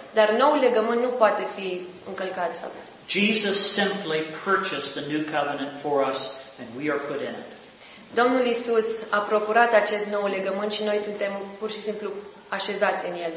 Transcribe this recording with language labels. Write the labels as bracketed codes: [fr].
[ro] Dar noul legământ nu poate fi încălcat. [en] Jesus simply purchased the new covenant for us and we are put in it. [ro] Domnul Iisus a procurat acest nou legământ și noi suntem pur și simplu așezați în el.